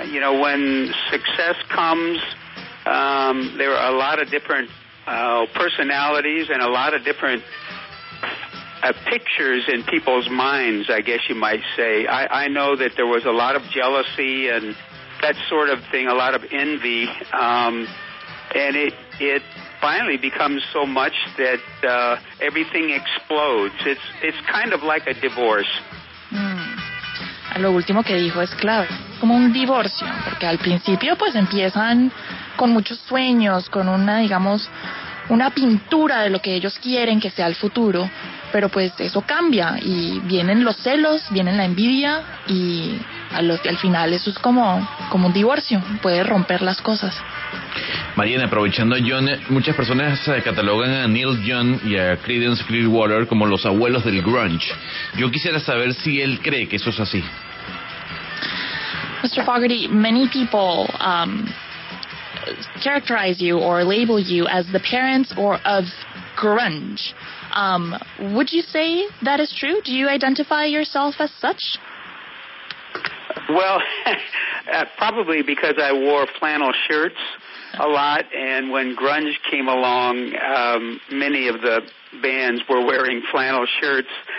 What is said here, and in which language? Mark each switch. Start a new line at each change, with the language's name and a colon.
English: You know, when success comes, there are a lot of different personalities and a lot of different pictures in people's minds, I guess you might say. I know that there was a lot of jealousy and that sort of thing, a lot of envy. And it finally becomes so much that everything explodes. It's kind of like a divorce.
Spanish: A lo último que dijo es clave, como un divorcio, porque al principio pues empiezan con muchos sueños, con una, digamos, una pintura de lo que ellos quieren que sea el futuro, pero pues eso cambia y vienen los celos, vienen la envidia y al final eso es como un divorcio, puede romper las cosas. Mariana, aprovechando a John, muchas personas catalogan a Neil Young y a Creedence Clearwater como los abuelos del grunge. Yo quisiera saber si él cree que eso es así.
English: Mr. Fogerty, many people characterize you or label you as the parents or of grunge. Would you say that is true? Do you identify yourself as such? Well, probably because I wore flannel shirts a lot, and when grunge came along, many of the bands were wearing flannel shirts.